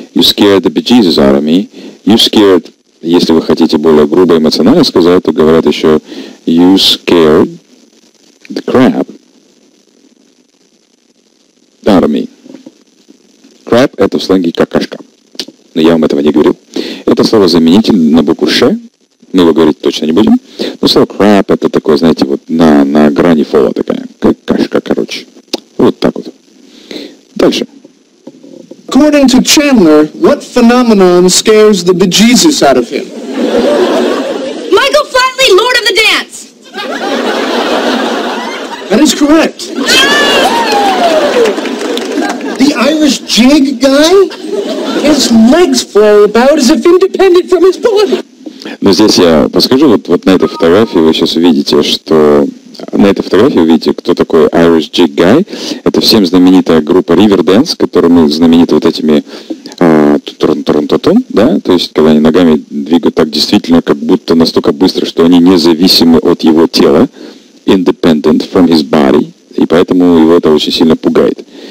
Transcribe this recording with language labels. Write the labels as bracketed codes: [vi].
[en] You scared the bejesus out of me. You scared, [ru] если вы хотите более грубо эмоционально сказать, то говорят еще [en] you scared the crap out of me. [ru] Crap это в сленге какашка. Но я вам этого не говорил. Это слово заменитель на букву «ш». Мы его говорить точно не будем. Но слово «crap» — это такое, знаете, вот на грани фола такая. Какашка, короче. Вот так вот. Дальше. [en] According to Chandler, what phenomenon scares the bejesus out of him? Michael Flatley, Lord of the Dance! That is correct. The Irish jig guy? His legs flow about as if independent from his body. [ru] Но здесь я подскажу, вот на этой фотографии вы сейчас увидите, что на этой фотографии увидите, кто такой Irish Jig Guy. Это всем знаменитая группа Riverdance, которая мы знамениты вот этими да, то есть когда они ногами двигают так действительно, как будто настолько быстро, что они независимы от его тела, [en] independent from his body, [ru] и поэтому его это очень сильно пугает.